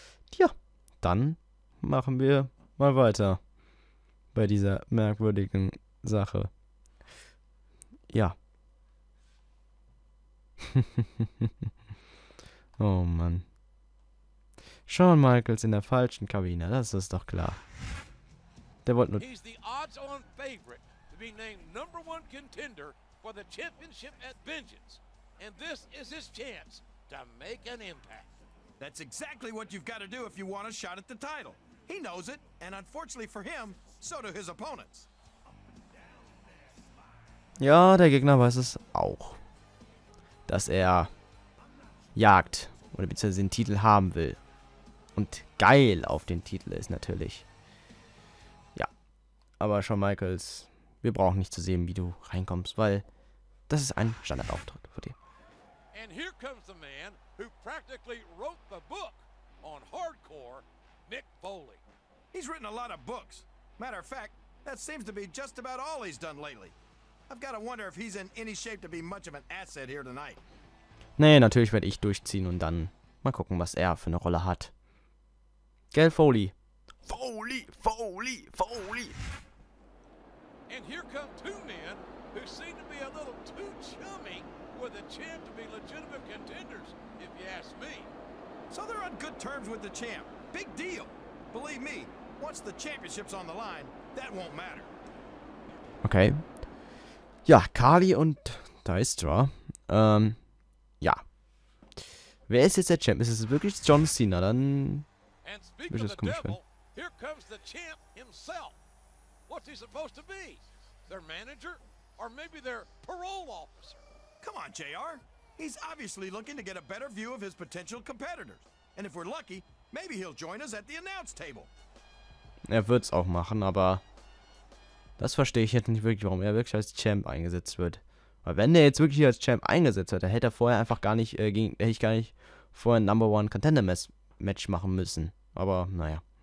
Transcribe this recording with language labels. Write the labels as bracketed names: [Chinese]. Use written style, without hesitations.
[German] Tja, dann machen wir mal weiter bei dieser merkwürdigen Sache. Ja. Oh Mann. Shawn Michaels in der falschen Kabine, das ist doch klar. Der wollte nur. [English] He's the odds on favorite to be named number one contender for the championship at Vengeance. And this is his chance to make an impact. That's exactly what you've got to do if you want a shot at the title. He knows it, and unfortunately for him, so do his opponents. [German] Ja, der Gegner weiß es auch, dass er jagt oder beziehungsweise den Titel haben will. Und geil auf den Titel ist natürlich. Ja, aber Shawn Michaels, wir brauchen nicht zu sehen, wie du reinkommst, weil das ist ein Standardauftritt für dich. [English] And here comes the man who practically wrote the book on hardcore, Mick Foley. He's written a lot of books. Matter of fact, that seems to be just about all he's done lately. I've got to wonder if he's in any shape to be much of an asset here tonight. [German] Nee, natürlich werde ich durchziehen und dann mal gucken, was er für eine Rolle hat. Gell, Foley? Foley, Foley, Foley. And here come two men who seem to be a little too chummy with the champ to be legitimate contenders, if you ask me. So they're on good terms with the champ. Big deal. Believe me, once the championship's on the line, that won't matter. Okay. Ja, Kali und Dijstra. Ja. Wer ist jetzt der Champ? Ist es wirklich John Cena? Dann wird es komisch werden. [English] Here comes the champ himself. What's he supposed to be? Their manager? Or maybe their parole officer? Come on, JR. He's obviously looking to get a better view of his potential competitors. And if we're lucky, maybe he'll join us at the announce table. [German] Er wird's auch machen, aber das verstehe ich jetzt nicht wirklich, warum er wirklich als Champ eingesetzt wird. Weil wenn er jetzt wirklich als Champ eingesetzt wird, dann hätte er vorher einfach gar nicht, vorher ein Number One Contender Match machen müssen. Aber naja.